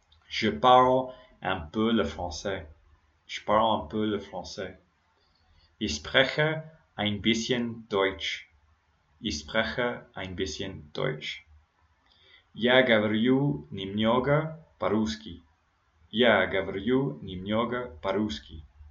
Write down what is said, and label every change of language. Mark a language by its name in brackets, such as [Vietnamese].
[French] Je parle un peu le français. Je parle un peu le français. [German] Ich spreche ein bisschen Deutsch. Ich spreche ein bisschen Deutsch. [Russian] Я говорю немного по-русски. Я говорю немного по-русски.